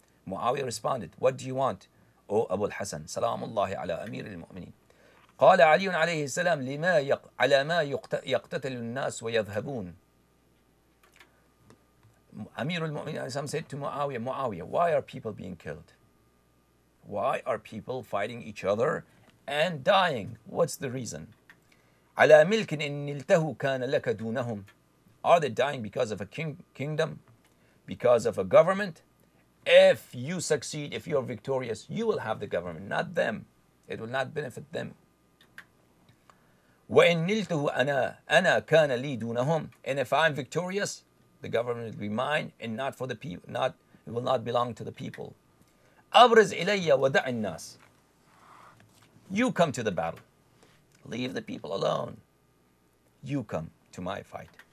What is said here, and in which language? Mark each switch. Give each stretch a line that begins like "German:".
English: معاوية responded. What do you want?
Arabic: أو أبو الحسن. سلام الله على أمير المؤمنين. قال علي عليه السلام لما على ما يقتتل الناس ويذهبون. أمير المؤمنين عليه السلام
English: said to معاوية. معاوية. Why are people being killed? Why are people fighting each other and dying? What's the reason?
Arabic: على ملك إن نلته كان لك دونهم.
English: Are they dying because of a kingdom? Because of a government? If you succeed, if you're victorious, you will have the government, not them. It will not benefit them.
Arabic: وإن نلته أنا كان لي دونهم.
English: And if I'm victorious, the government will be mine and not for the people, not, it will not belong to the people.
Arabic: أبرز إلي ودع الناس.
English: You come to the battle. Leave the people alone. You come to my fight.